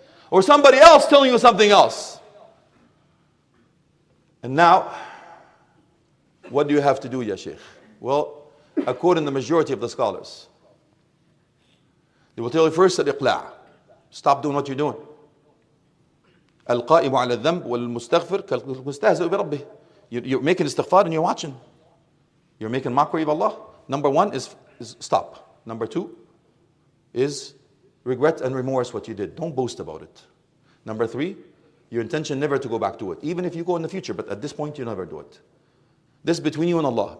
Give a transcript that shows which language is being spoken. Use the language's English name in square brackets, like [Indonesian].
[English] Or somebody else telling you something else. And now, what do you have to do, ya Sheikh? Well, according to the majority of the scholars, they will tell you first that iqla'. Stop doing what you're doing. [Arabic] القائم على الذنب والمستغفر كالمستهزئ بربه. [English] You're making istighfar and you're watching. You're making mockery of Allah. Number one is stop. Number two is regret and remorse what you did. Don't boast about it. Number three, your intention never to go back to it. Even if you go in the future, but at this point you never do it. This is between you and Allah.